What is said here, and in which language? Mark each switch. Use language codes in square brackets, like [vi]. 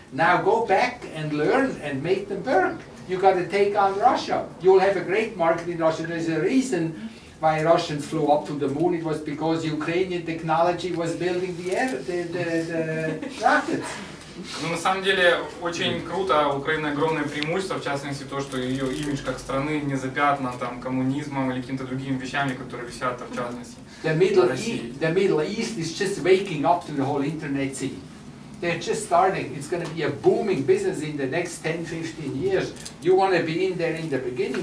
[en] Now go back and learn and make them work. You got to take on Russia. You'll have a great market in Russia. There's a reason why Russians flew up to the moon. It was because Ukrainian technology was building the rockets. [ru] Ну, на самом деле, очень круто, у Украины огромное преимущество, в частности, то, что ее имидж как страны не запятнан там коммунизмом или какими-то другими вещами, которые висят там, в частности, [en] the Middle [ru] России. [en] The Middle East is just waking up to the whole internet scene. They're just starting. It's going to be a booming business in the next 10-15 years. You want to be in there in the beginning.